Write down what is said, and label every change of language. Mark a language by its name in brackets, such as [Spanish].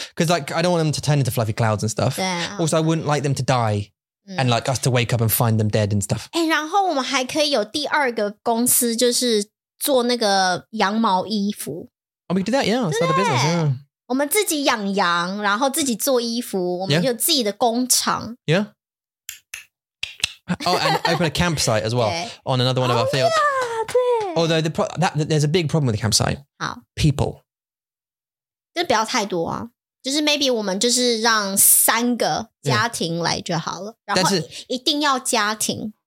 [English] Because like, I don't want them to turn into fluffy clouds and stuff. [Chinese] 对、 [English] 啊。Also, I wouldn't like them to die. And like us to wake up and find them dead and stuff. [Chinese] 欸然后我们还可以有第二个公司就是做那个羊毛衣服。 [English] Oh, we can do that, yeah. Start a business, yeah. [Chinese] 我们自己养羊然后自己做衣服我们有自己的工厂。 [English] Yeah. Oh, and open a campsite as well on another one of our fields. Yeah, 对。 Although there's a big problem with the campsite. [Chinese] 好。 [English] People. [Chinese] 就不要太多啊。就是 [English] maybe [Chinese] 我们就是让三个家庭来就好了。Yeah. 然后一定要家庭。